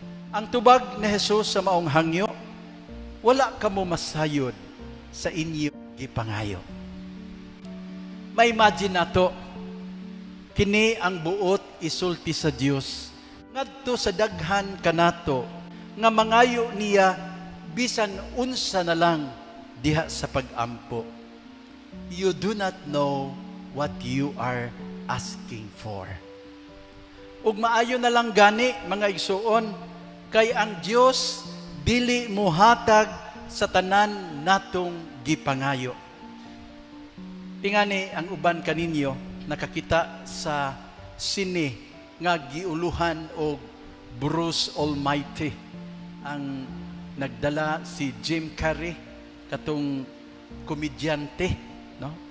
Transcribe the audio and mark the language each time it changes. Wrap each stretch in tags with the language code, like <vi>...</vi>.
<ceb>Ang tubag ni Jesus sa maong hangyo, wala ka mo masayod sa inyo gipangayo. Ma-imagine nato, kini ang buot isulti sa Dios ngadto sa daghan kanato nga mangayo niya bisan unsa na lang diha sa pag-ampo.</ceb> <en>You do not know what you are asking for.</en> <ceb>Ug maayo na lang gani mga igsuon kay ang Dios dili muhatag sa tanan natong gipangayo. Tingani ang uban kaninyo nakakita sa sine nga giuluhan og Bruce Almighty ang nagdala si Jim Carrey katong komedyante, no?</ceb>